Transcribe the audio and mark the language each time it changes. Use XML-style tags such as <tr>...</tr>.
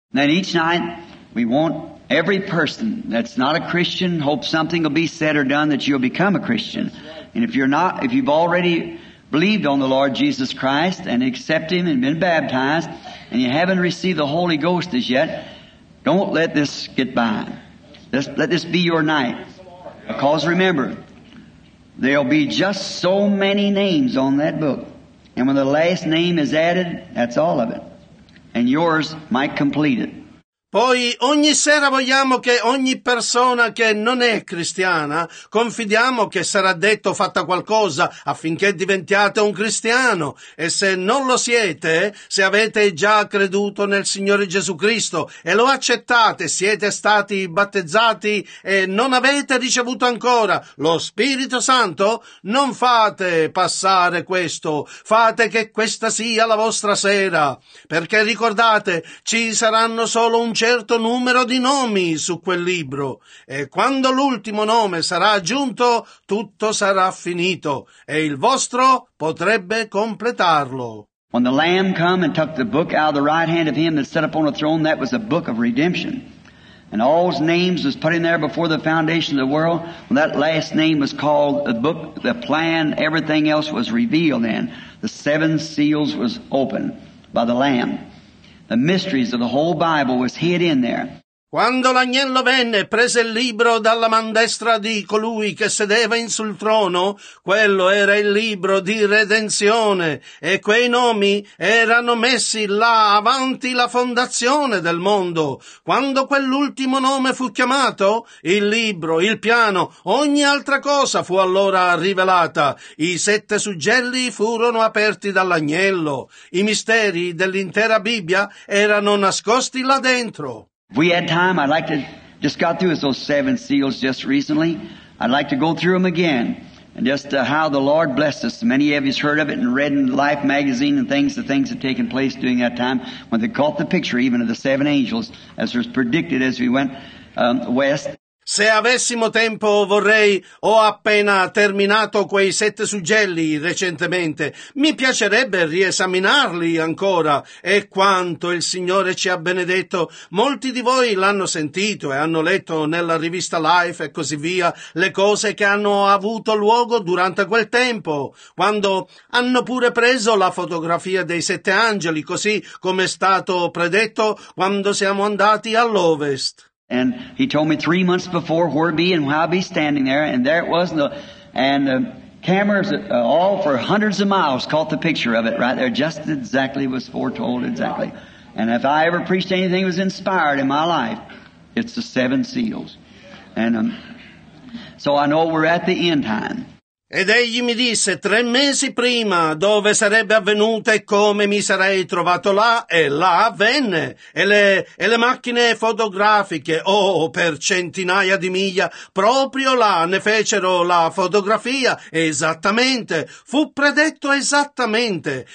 <en>Then each night we want every person that's not a Christian, hope something will be said or done that you'll become a Christian. And if you're not, if you've already believed on the Lord Jesus Christ and accept Him and been baptized, and you haven't received the Holy Ghost as yet, don't let this get by. Let this be your night. Because remember, there'll be just so many names on that book. And when the last name is added, that's all of it. And yours might complete it.</en> <it>Poi ogni sera vogliamo che ogni persona che non è cristiana, confidiamo che sarà detto o fatta qualcosa affinché diventiate un cristiano. E se non lo siete, se avete già creduto nel Signore Gesù Cristo e lo accettate, siete stati battezzati e non avete ricevuto ancora lo Spirito Santo, non fate passare questo. Fate che questa sia la vostra sera. Perché ricordate, ci saranno solo un certo numero di nomi su quel libro, e quando l'ultimo nome sarà aggiunto, tutto sarà finito e il vostro potrebbe completarlo.</it> <en>When the Lamb came and took the book out of the right hand of him that sat upon the throne, that was a book of redemption. And all his names was put in there before the foundation of the world. When that last name was called the book, the plan, everything else was revealed then. The seven seals was opened by the Lamb. The mysteries of the whole Bible was hid in there.</en> <it>Quando l'agnello venne e prese il libro dalla man destra di colui che sedeva in sul trono, quello era il libro di redenzione, e quei nomi erano messi là avanti la fondazione del mondo. Quando quell'ultimo nome fu chiamato, il libro, il piano, ogni altra cosa fu allora rivelata. I sette suggelli furono aperti dall'agnello. I misteri dell'intera Bibbia erano nascosti là dentro.</it> <en>If we had time, I'd like to just got through those seven seals just recently. I'd like to go through them again and just how the Lord blessed us. Many of you have heard of it and read in Life magazine and things, the things that have taken place during that time when they caught the picture even of the seven angels as was predicted as we went west.</en> <it>Se avessimo tempo vorrei, ho appena terminato quei sette suggelli recentemente, mi piacerebbe riesaminarli ancora, e quanto il Signore ci ha benedetto. Molti di voi l'hanno sentito e hanno letto nella rivista Life e così via le cose che hanno avuto luogo durante quel tempo, quando hanno pure preso la fotografia dei sette angeli, così come è stato predetto quando siamo andati all'ovest.</it> <en>And he told me 3 months before where be and how be standing there, and there it was, and the cameras all for hundreds of miles caught the picture of it right there, just exactly was foretold exactly. And if I ever preached anything that was inspired in my life, it's the seven seals. And so I know we're at the end time.</en> <it>Ed egli mi disse 3 mesi prima dove sarebbe avvenuta e come mi sarei trovato là, e là avvenne. E le macchine fotografiche, per centinaia di miglia, proprio là ne fecero la fotografia, esattamente, fu predetto esattamente.</it>